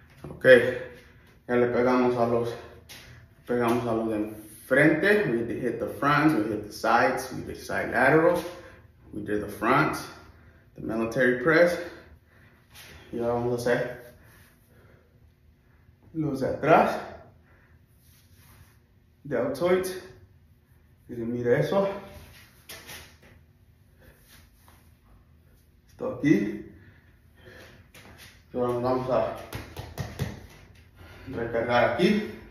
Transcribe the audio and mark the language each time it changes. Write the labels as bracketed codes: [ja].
[es] Ok, ya le pegamos a los de frente. [en] We did hit the fronts, we hit the sides, we did side laterals, we did the fronts, the military press. [es] Y ahora vamos a hacer los de atrás, deltoids, y se mide eso. Esto aquí. Ahora nos vamos a recargar aquí.